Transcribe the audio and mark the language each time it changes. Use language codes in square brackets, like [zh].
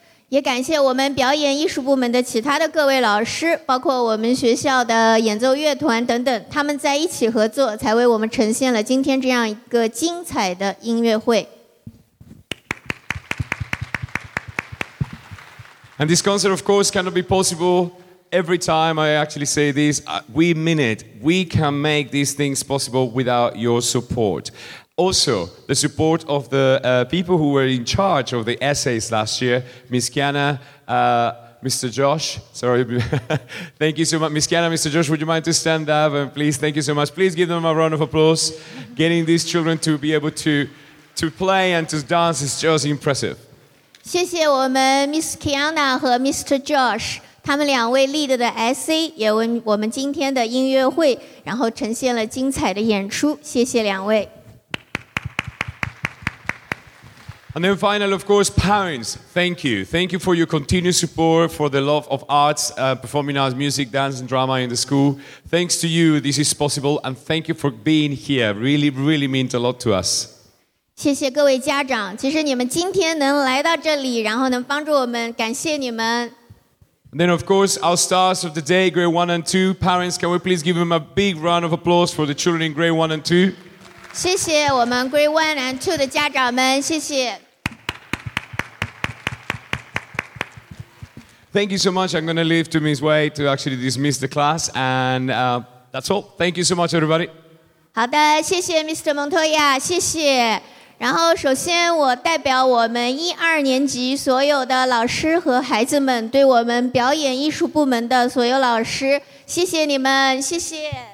[zh] 也感谢我们表演艺术部门的其他的各位老师，包括我们学校的演奏乐团等等，他们在一起合作，才为我们呈现了今天这样一个精彩的音乐会。 [en] And this concert, of course, cannot be possible every time I actually say this. We mean it. We can make these things possible without your support. Also, the support of the people who were in charge of the essays last year, Ms. Kiana, Mr. Josh. Sorry. Thank you so much. Ms. Kiana, Mr. Josh, would you mind to stand up? And please, thank you so much. Please give them a round of applause. Getting these children to be able to play and to dance is just impressive. [zh] 谢谢我们 Miss Kiana 和 Mr. Josh, 他们两位 lead 的 SA 也为我们今天的音乐会然后呈现了精彩的演出，谢谢两位。 [en] And then finally, of course, parents, thank you. Thank you for your continued support for the love of arts, performing arts, music, dance and drama in the school. Thanks to you, this is possible and thank you for being here. Really, really means a lot to us. [zh] 谢谢各位家长，其实你们今天能来到这里，然后能帮助我们，感谢你们。 [en] And then of course, our stars of the day, grade 1 and 2, parents, can we please give them a big round of applause for the children in grade 1 and 2? [zh] 谢谢我们 grade 1 and 2的家长们，谢谢。 [en] Thank you so much, I'm going to leave to Ms. Wei to actually dismiss the class, and that's all. Thank you so much, everybody. [zh] 好的，谢谢 Mr. Montoya, 谢谢。然后首先我代表我们一二年级所有的老师和孩子们，对我们表演艺术部门的所有老师，谢谢你们，谢谢。